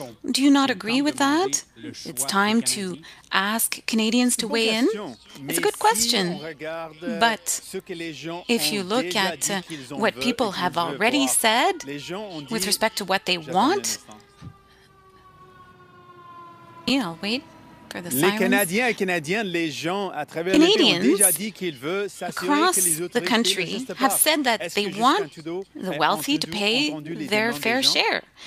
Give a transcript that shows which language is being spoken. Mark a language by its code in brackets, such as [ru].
[en] Do you not agree with that? It's time to ask Canadians to weigh in? It's a good question. But if you look at what people have already said with respect to what they want, yeah, I'll wait. [fr] Les Canadiens et Canadiennes, les gens à travers le pays ont déjà dit qu'ils veulent s'assurer que les autres [en] country have said that they want the wealthy to pay their fair share.